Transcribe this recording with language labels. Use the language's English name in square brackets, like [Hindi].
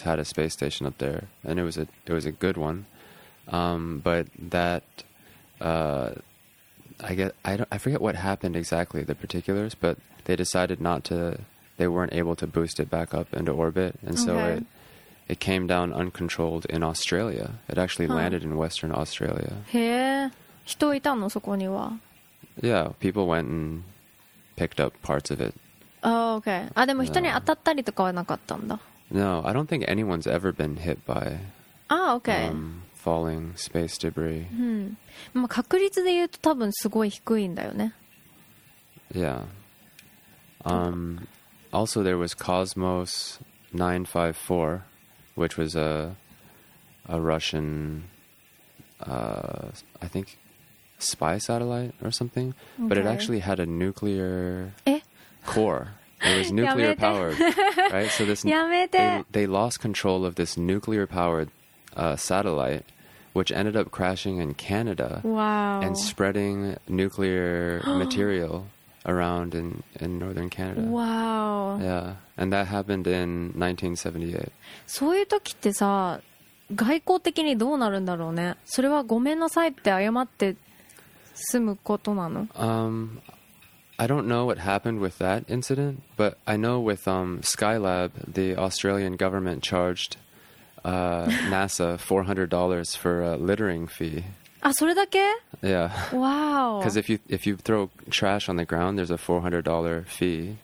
[English] had a space station up there, and it was a good one. But that, I forget what happened exactly, the particulars, but they decided not to, they weren't able to boost it back up into orbit. And so it came down uncontrolled in Australia. It actually landed in Western Australia. [Japanese] へえ、人いたのそこには。 [English] Yeah, people went and picked up parts of it. Oh, okay. [Japanese] あ、でも人に当たったりとかはなかったんだ。 [English] No, I don't think anyone's ever been hit by... Ah, okay. Falling space debris. [Japanese] まあ確率で言うと多分すごい低いんだよね。 [English] Yeah. Also there was Cosmos 954, which was a Russian, I think, spy satellite or something. Okay. But it actually had a nuclear core. It was nuclear powered, right? So this they lost control of this nuclear powered satellite, which ended up crashing in Canada. Wow. And spreading nuclear material around in northern Canada. Wow. Yeah. And that happened in 1978. [Japanese] そういう時ってさ、外交的にどうなるんだろうね。それはごめんなさいって謝って済むことなの？ [English] I don't know what happened with that incident, but I know with Skylab, the Australian government charged NASA $400 for a littering fee. [Japanese] あ、それだけ? [English] Yeah. Wow. Because if you throw trash on the ground, there's a $400 fee.